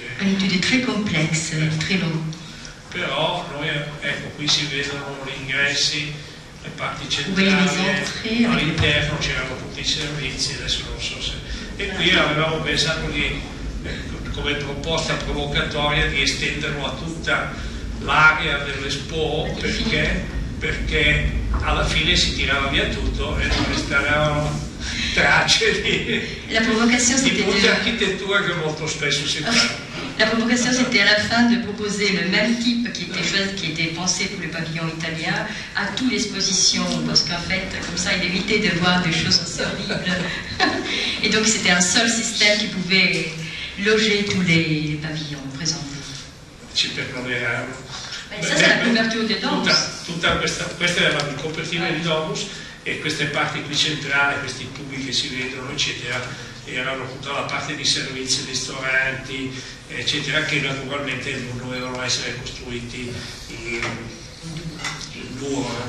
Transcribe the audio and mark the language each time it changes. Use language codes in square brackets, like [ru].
[fr] un'étude très complexe, très long. [it] Però noi, ecco, qui si vedono gli ingressi, le parti centrali, [fr] oui, les entrées, [it] all'interno c'erano tutti i servizi, adesso non so se... E qui avevamo pensato di, come proposta provocatoria, di estenderlo a tutta l'area dell'Expo, perché alla fine si tirava via tutto e non restavano tracce [fr] la provocation c'était [it] di architettura che molto spesso si fa. [fr] La provocation c'était à la fin de proposer le même type qui était chose qui était pensé pour le pavillon italien à toutes les expositions, parce qu'en fait comme ça il évitait de voir des choses aussi horribles. Et donc c'était un seul système qui pouvait loger tous les pavillons présents. [it] Ci perdoneranno. [fr] Ça c'est la couverture de Domus. [it] Questa è la copertina di Domus. E queste parti qui centrali, questi tubi che si vedono, eccetera, erano tutta la parte di servizi, ristoranti, eccetera, che naturalmente non dovevano essere costruiti in duro.